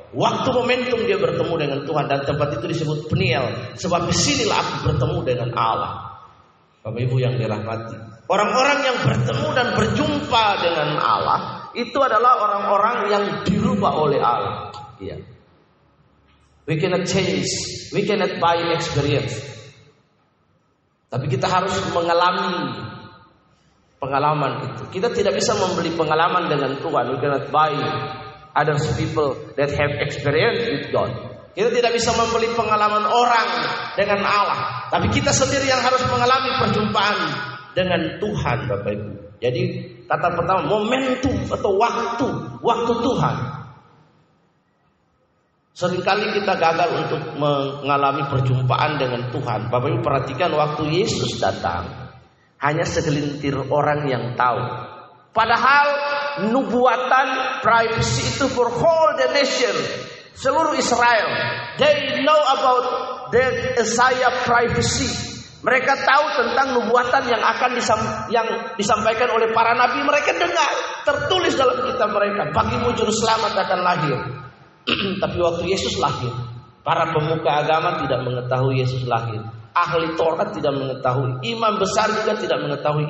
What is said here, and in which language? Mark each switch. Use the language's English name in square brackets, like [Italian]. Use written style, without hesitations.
[Indonesian] Waktu momentum dia bertemu dengan Tuhan, dan tempat itu disebut Peniel, sebab disinilah aku bertemu dengan Allah. Bapak Ibu yang dirahmati, orang-orang yang bertemu dan berjumpa dengan Allah itu adalah orang-orang yang dirubah oleh Allah. Iya. [English] We cannot change, we cannot buy experience. [Indonesian] Tapi kita harus mengalami pengalaman itu. Kita tidak bisa membeli pengalaman dengan Tuhan. [English] We cannot buy others people that have experience with God. [Indonesian] Kita tidak bisa membeli pengalaman orang dengan Allah. Tapi kita sendiri yang harus mengalami perjumpaan dengan Tuhan, Bapak Ibu. Jadi kata pertama, momentum atau waktu, waktu Tuhan. Seringkali kita gagal untuk mengalami perjumpaan dengan Tuhan. Bapak Ibu perhatikan, waktu Yesus datang hanya segelintir orang yang tahu. Padahal nubuatan prophecy itu for all the nation, seluruh Israel. [English] They know about the Isaiah prophecy. [Indonesian] Mereka tahu tentang nubuatan yang akan disampaikan oleh para nabi. Mereka dengar, tertulis dalam kitab mereka, bagimu juru selamat akan lahir. Tapi waktu Yesus lahir, para pemuka agama tidak mengetahui Yesus lahir. Ahli Taurat tidak mengetahui. Imam besar juga tidak mengetahui.